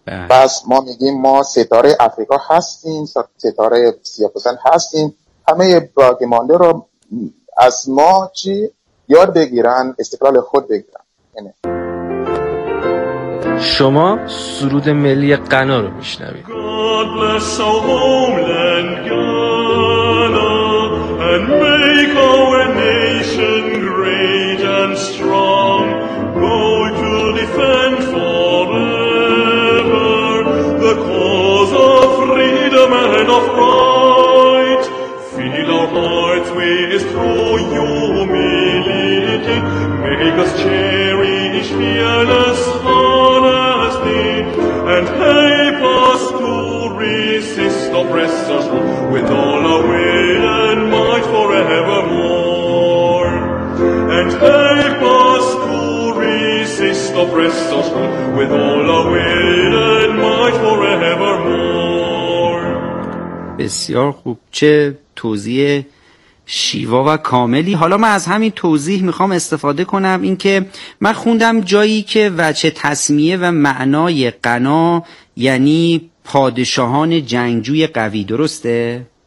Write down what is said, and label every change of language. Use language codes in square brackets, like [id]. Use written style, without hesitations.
[fa] بس ما میگیم ما ستاره افریقا هستیم، ستاره سیاه‌پوستان هستیم، همه باقی مانده رو از ما چی یاد بگیرن، استقلال خود بگیرن. اینه. شما سرود ملی غانا رو میشنوید. [en] God bless our homeland Ghana and make our nation great and strong. Bold to defend forever the cause of freedom and of right. Fill our hearts with your humility. Make us cherish fearless honesty and help us to resist oppressors with all our will and might forevermore. And help us to resist oppressors with all our will and might forevermore. [fa] بسیار خوب، چه توضیح شیوا و کاملی. حالا من از همین توضیح میخوام استفاده کنم، این که من خوندم جایی که وجه تسمیه و معنای غنا یعنی پادشاهان جنگجوی قوی، درسته؟